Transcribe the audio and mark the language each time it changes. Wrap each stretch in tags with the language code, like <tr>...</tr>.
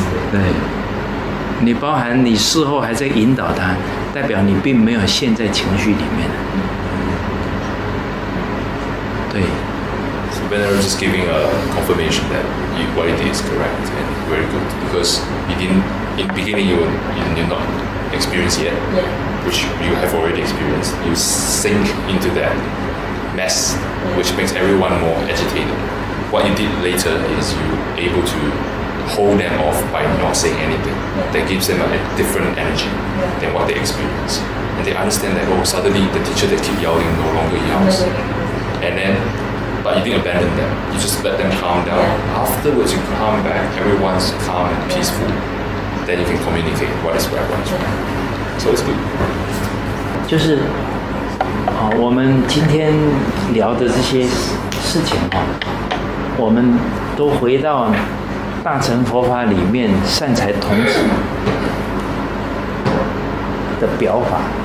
<zh>对，你包含你事后还在引导他，代表你并没有陷在情绪里面。对。</zh> <en>So Ben was just giving a confirmation that what he did is correct and very good because he didn't in the beginning you not experience yet, which you have already experienced. You sink into that. Mess, which makes everyone more agitated. What you did later is you able to hold them off by not saying anything. That gives them a different energy than what they experience. And they understand that, oh, suddenly the teacher that keep yelling no longer yells. And then, but you didn't abandon them. You just let them calm down. Afterwards, you calm back, everyone's calm and peaceful. Then you can communicate what is right, what is wrong. So it's good.</en> <zh>就是好，我们今天聊的这些事情啊，我们都回到大乘佛法里面善财童子的表法。</zh>